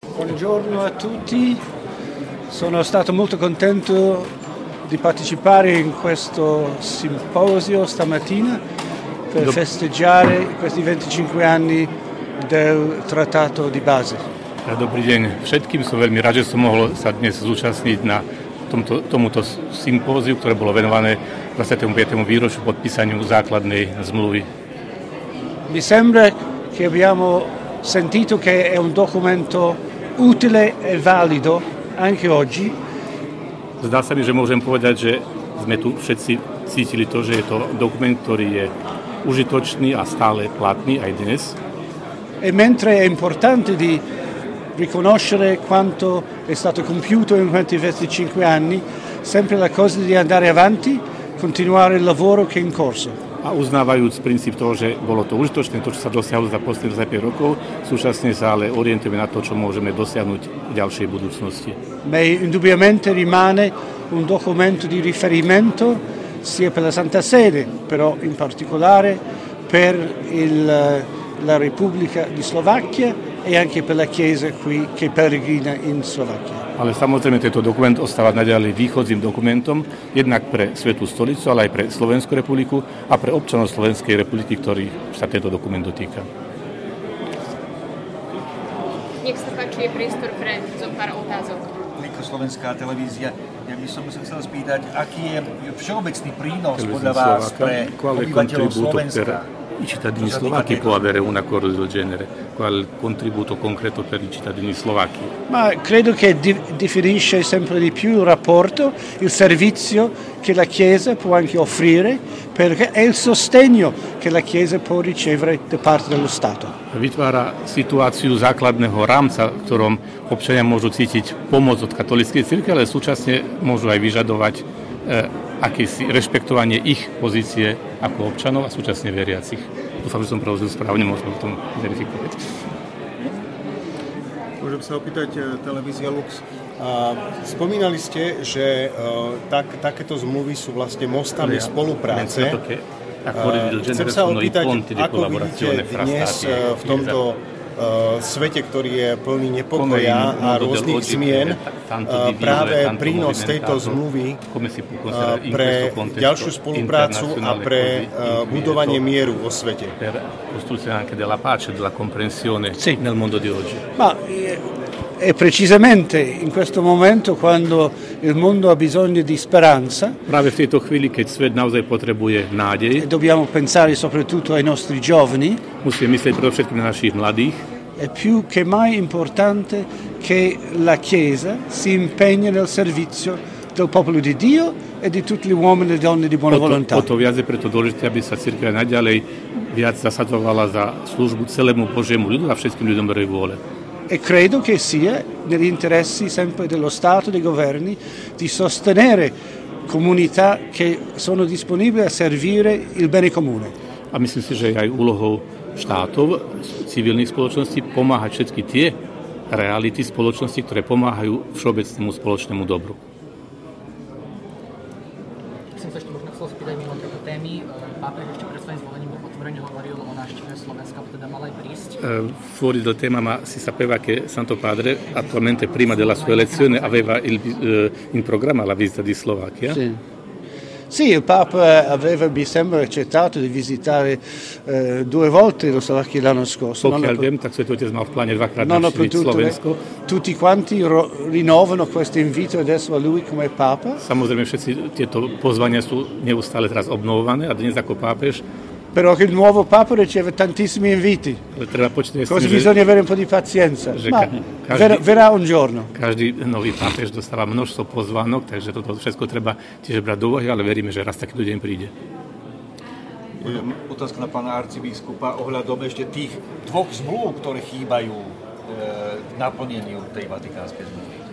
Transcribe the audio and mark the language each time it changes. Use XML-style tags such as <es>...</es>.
<it>Buongiorno a tutti, sono stato molto contento di partecipare in questo simposio stamattina per festeggiare questi 25 anni del trattato di base.</it> <sk>Dobrý deň všetkým, som veľmi rád, že som mohol sa dnes zúčastniť na tomuto sympóziu, ktoré bolo venované 25. výročiu podpísaniu základnej zmluvy.</sk> <it>Mi sembra che abbiamo sentito che è un documento utile e valido anche oggi.</it> <sk>Zdá sa mi, že môžem povedať, že sme tu všetci cítili to, že je to dokument, ktorý je užitočný a stále platný aj dnes.</sk> <it>E mentre è importante di riconoscere quanto è stato compiuto in questi 25 anni, sempre la cosa di andare avanti, continuare il lavoro che è in corso.</it> <sk>A uznávajúc princíp toho, že bolo to užitočné, to, čo sa dosiahlo za posledných 5 rokov, súčasne sa ale orientujeme na to, čo môžeme dosiahnuť v ďalšej budúcnosti.</sk> <it>Ma indubbiamente rimane un documento di riferimento sia per la Santa Sede, però in particolare per la Repubblica di Slovacchia e anche per la Chiesa qui che peregrina in Slovacchia.</it> <sk>Ale samozrejme, tento dokument ostáva naďalej východným dokumentom, jednak pre Svetú stolicu, ale aj pre Slovenskú republiku a pre občanov Slovenskej republiky, ktorý sa tento dokument dotýka. Nech sa páči, je priestor pre zo pár otázok. Slovenská televízia. Ja by som sa chcel spýtať, aký je všeobecný prínos podľa vás pre obyvateľov Slovenska?</sk> <it>I cittadini slovacchi può avere un accordo del genere? Qual contributo concreto per i cittadini slovacchi? Ma credo che definisce sempre di più il rapporto, il servizio che la Chiesa può anche offrire, perché è il sostegno che la Chiesa può ricevere da parte dello Stato.</it> <sk>Vytvára situáciu základného rámca, v ktorom občania môžu cítiť pomoc od katolíckej cirkvi, ale súčasne môžu aj vyžadovať akési rešpektovanie ich pozície ako občanov a súčasne veriacich. Dúfam, že som prorozumel správne, môžem potom verifikovať. Môžem sa opýtať, televízia Lux. Spomínali ste, že takéto zmluvy sú vlastne mostami spolupráce. Chcem sa opýtať, ako vidíte dnes v tomto svete, ktorý je plný nepokoja a rôznych zmien, práve prínos tejto zmluvy pre ďalšiu spoluprácu a pre budovanie mieru vo svete.</sk> <it>Ma è precisamente in questo momento quando il mondo ha bisogno di speranza.</it> <sk>Práve v tejto chvíli, keď svet naozaj potrebuje nádej.</sk> <it>Dobbiamo pensare soprattutto ai nostri giovani.</it> <sk>Musíme myslieť predovšetkým na našich mladých.</sk> <it>È più che mai importante che la Chiesa si impegni nel servizio del popolo di Dio e di tutti gli uomini e donne di buona volontà.</it> <sk>O to viac je preto dôležité, aby sa cirkev naďalej viac zasadzovala za službu celému Božiemu ľudu a všetkým ľuďom dobrej vôle.</sk> <it>E credo che sia negli interessi sempre dello Stato, dei governi, di sostenere comunità che sono disponibili a servire il bene comune.</it> <sk>A myslím si, že aj úlohou štátov, civilných spoločností pomáhať všetky tie reality spoločnosti, ktoré pomáhajú všeobecnému spoločnému dobru. Chcem sa ešte možno chcel spýtať mimo tejto témy. Pápež ešte pred svojím zvolením bol otvorene hovoril o návšteve Slovenska, teda mal aj prísť.</sk> <it>Fuori del tema, ma si sapeva che Santo Padre attualmente prima della sua elezione aveva in programma la visita di Slovacchia. Sì. Sì, il Papa aveva, mi sembra, accettato di visitare due volte lo Slovacchia l'anno scorso. Tutti quanti rinnovano questo invito adesso a lui come Papa.</it> <sk>Samozrejme, všetci tieto pozvania sú neustále teraz obnovované a dnes ako pápež.</sk> <it>Però che il nuovo Papa riceve tantissimi inviti. Così bisogna avere un po' di pazienza. Verrà un giorno.</it> <sk>Každý nový pápež dostáva množstvo pozvánok, takže toto všetko treba tiež brať do úvahy, ale veríme, že raz takýto deň príde. Otázka na pána arcibiskupa ohľadom ešte tých dvoch zmluv, ktoré chýbajú v naplneniu tej vatikánskej zmluvy.</sk>